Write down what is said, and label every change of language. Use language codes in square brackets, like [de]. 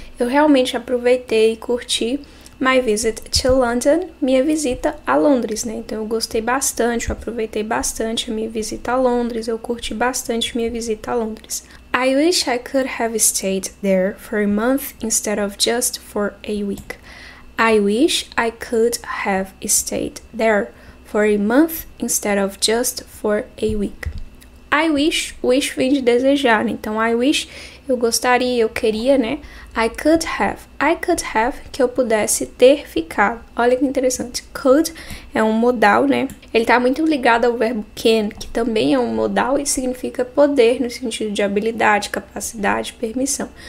[pt] Eu realmente aproveitei e curti [en] my visit to London, [pt] minha visita a Londres, né? Então, eu gostei bastante, eu aproveitei bastante a minha visita a Londres, eu curti bastante minha visita a Londres. [en] I wish I could have stayed there for a month instead of just for a week. I wish I could have stayed there for a month instead of just for a week. [pt] I wish, wish vem de desejar, né? Então, I wish, eu gostaria, eu queria, né? [en] I could have, [pt] que eu pudesse ter ficado. Olha que interessante, could é um modal, né? Ele tá muito ligado ao verbo can, que também é um modal e significa poder, no sentido de habilidade, capacidade, permissão.